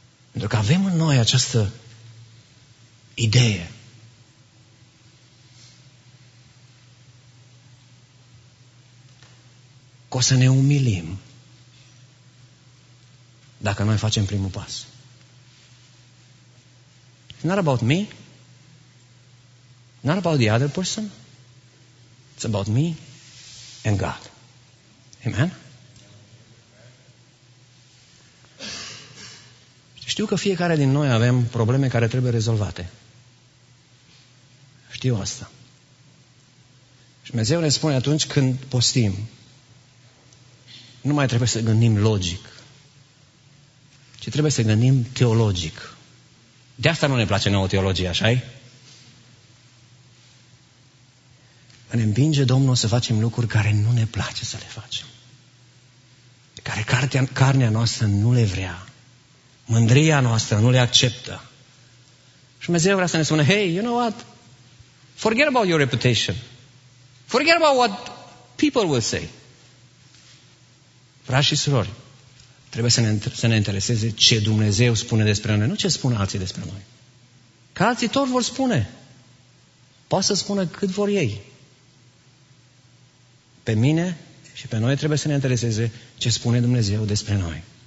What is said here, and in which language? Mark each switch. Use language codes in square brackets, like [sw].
[ro] Pentru că avem în noi această idee. Că o să ne umilim dacă noi facem primul pas. [en] It's not about me. Not about the other person. It's about me and God. Amen? [ro] Știu că fiecare din noi avem probleme care trebuie rezolvate. Știu asta. Și Dumnezeu ne spune atunci când postim, nu mai trebuie să gândim logic, ci trebuie să gândim teologic. De asta nu ne place nouă teologia, așa-i? Ne împinge Domnul să facem lucruri care nu ne place să le facem. Care carnea noastră nu le vrea. Mândria noastră nu le acceptă. Și Dumnezeu vrea să ne spună, [en] hey, you know what? Forget about your reputation. Forget about what people will say. [ro] Frați și surori, trebuie să ne intereseze ce Dumnezeu spune despre noi, nu ce spun alții despre noi. Că alții tot vor spune. Poate să spună cât vor ei. Pe mine și pe noi trebuie să ne intereseze ce spune Dumnezeu despre noi.